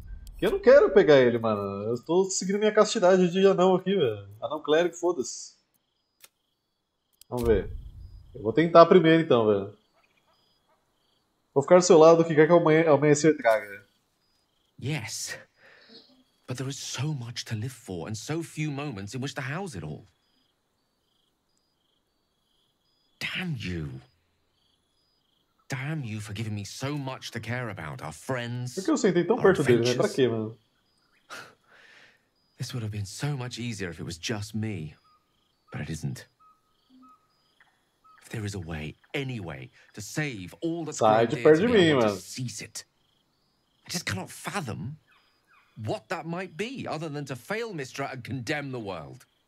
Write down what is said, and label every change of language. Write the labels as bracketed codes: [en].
[pt] Porque eu não quero pegar ele, mano. Eu tô seguindo minha castidade de anão aqui, velho. Anão clérigo, foda-se. Vamos ver. Eu vou tentar primeiro então, velho. Vou ficar do seu lado, o que quer que amanhecer traga. [en] Yes. But there is so much to live for, and so few moments in which to house it all. Damn you for giving me so much to care about, our friends, [pt] por que eu sentei tão perto dele, né? Pra quê, mano? [en] This would have been so much easier if it was just me, but it isn't. If there is a way, any way, to save all that's going to be able to seize it, I just cannot fathom what that might be, other than to fail Mistra and condemn the world.